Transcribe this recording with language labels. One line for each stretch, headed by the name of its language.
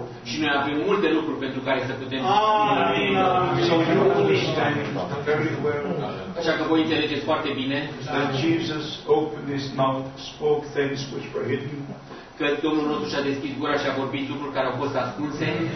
Romanian: Și noi avem multe lucruri pentru care să putem. Amen.
English: So you understand very well.
Romanian: Așa că voi înțelegeți foarte bine.
English: That Jesus opened his mouth, spoke things which were hidden.
Romanian: Că Domnul nostru și-a deschis gura și a vorbit lucruri care au fost ascunse.